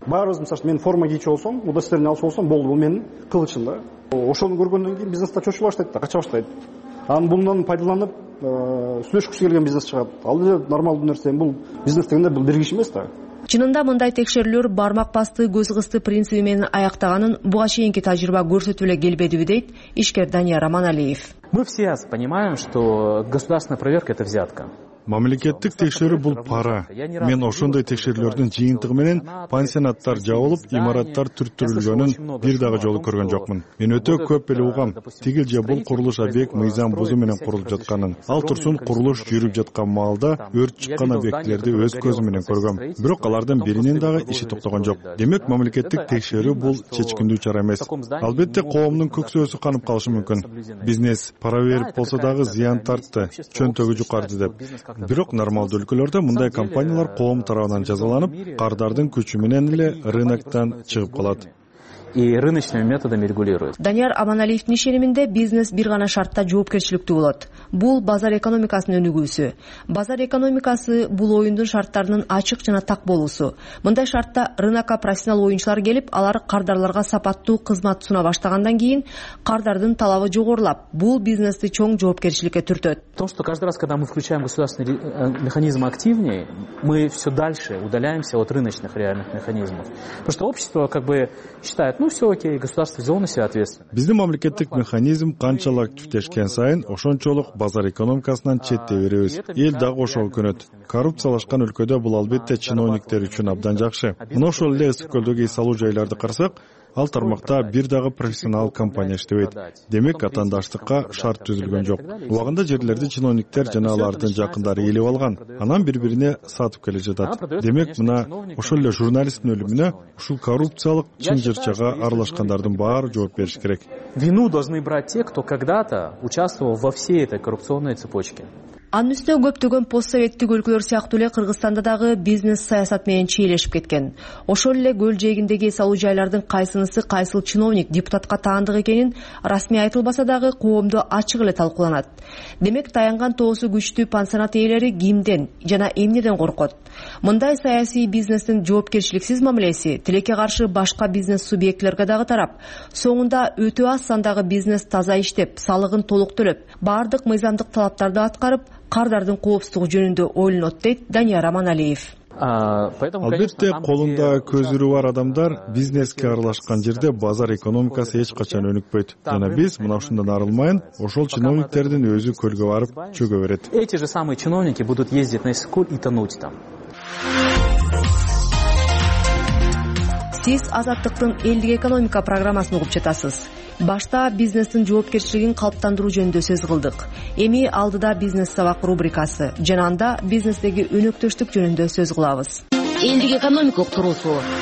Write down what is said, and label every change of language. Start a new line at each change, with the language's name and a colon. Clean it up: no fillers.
Kyrgyz: Баарыбыз мисалы үчүн мен форма кийчү болсом, удостоверение алчу болсом болду, бул менин кылычым да. Ошону көргөндөн кийин бизнес да чочула баштайт да, кача баштайт. Анан бундан пайдаланып сүйлөшкүсү келген бизнес чыгат. Ал эле нормалдуу нерсе. Бул бизнес дегенде бул бир киши эмес да. Чынында мындай текшерүүлөр бармак басты, көз кысты принциби менен аяктаганын буга чейинки тажрыйба көрсөтүп эле келбедиби дейт ишкер Данияр Аманалиев.
Russian: Мы все понимаем, что государственная проверка это взятка.
Kyrgyz: Мамлекеттик текшерүү бул пара. Мен ошондой текшерүүлөрдүн жыйынтыгы менен пансионаттар жабылып, имараттар түрттүрүлгөнүн бир дагы жолу көргөн жокмун. Мен өтө көп эле угам, тигил же бул курулуш объект мыйзам бузуу менен курулуп жатканын. Ал турсун курулуш жүрүп жаткан маалда өрт чыккан объектлерди өз көзүм менен көргөм. Бирок алардын биринин дагы иши токтогон жок. Демек мамлекеттик текшерүү бул чечкиндүү чара эмес. Албетте коомдун көксөсү канып калышы мүмкүн. Бизнес пара берип болсо дагы зыян тартты, чөнтөгү жукарды деп. Бирок нормалдуу өлкөлөрдө мындай компаниялар коом тарабынан жазаланып, кардардын күчү менен эле рыноктан чыгып калат.
Russian: И рыночными методами регулируют.
Kyrgyz: Данияр Аманалиевдин ишенеминде бизнес бир гана шартта жоопкерчиликтүү болот. Бул базар экономикасынын өнүгүүсү. Базар экономикасы бул оюндун шарттарынын ачык жана так болуусу. Мындай шартта рынокко профессионал оюнчулар келип, алар кардарларга сапаттуу кызмат суна баштагандан кийин кардардын талабы жогорулап, бул бизнести чоң жоопкерчиликке түртөт.
Russian: То, что каждый раз, когда мы включаем государственный механизм активнее, мы все дальше удаляемся от рыночных реальных механизмов. Потому что общество считает, ну все окей, государство взяло на себя ответственность.
Kyrgyz: Биздин мамлекеттик механизм канчалык активдешкен сайын, ошончолук базар экономикасынан четте беребиз. Эл дагы ошол өкөнөт. Коррупциялашкан өлкөдө бул албетте чиновниктер үчүн абдан жакшы. Мына ошол эле ысык көлдөгү эс алуу жайларды карасак, ал тармакта бир дагы профессионал компания иштебейт. Демек атаандаштыкка шарт түзүлгөн жок. Убагында жерлерди чиновниктер жана алардын жакындары ээлеп алган, анан бири-бирине сатып келе жатат. Демек мына ошол эле журналисттин өлүмүнө ушул коррупциялык чынжырчага аралашкандардын баары жооп бериш керек.
Russian: Вину должны брать те, кто когда-то участвовал во всей этой коррупционной цепочке.
Kyrgyz: Анын үстө көптөгөн постсоветтик өлкөлөр сыяктуу эле Кыргызстанда дагы бизнес саясат менен чиелешип кеткен. Ошол эле көл жээгиндеги эс алуу жайлардын кайсынысы кайсыл чиновник депутатка таандык экенин расмий айтылбаса дагы коомдо ачык эле талкууланат. Демек таянган тоосу күчтүү пансионат ээлери кимден жана эмнеден коркот? Мындай саясий бизнестин жоопкерчиликсиз мамилеси тилекке каршы башка бизнес субъектилерге дагы тарап, соңунда өтө аз сандагы бизнес таза иштеп, салыгын толук төлөп, баардык мыйзамдык талаптарды аткарып, кардардын коопсуздугу жөнүндө ойлонот, дейт Данияр Аманалиев. Албетте колунда көзүрү бар адамдар бизнеске аралашкан жерде базар экономикасы эч качан өнүкпөйт. Жана биз мына ушундан арылмайын, ошол чиновниктердин өзү көлгө барып чөгө берет.
Russian: Эти же самые чиновники будут ездить на Иссык-Көл и тонуть там.
Kyrgyz: Сиз Азаттыктын элдик экономика программасын угуп жатасыз. Башта бизнестин жоопкерчилигин калыптандыруу жөнүндө сөз кылдык. Эми алдыда бизнес сабак рубрикасы жана анда бизнестеги өнөктөштүк жөнүндө сөз кылабыз. Элдик экономика уктуруусу.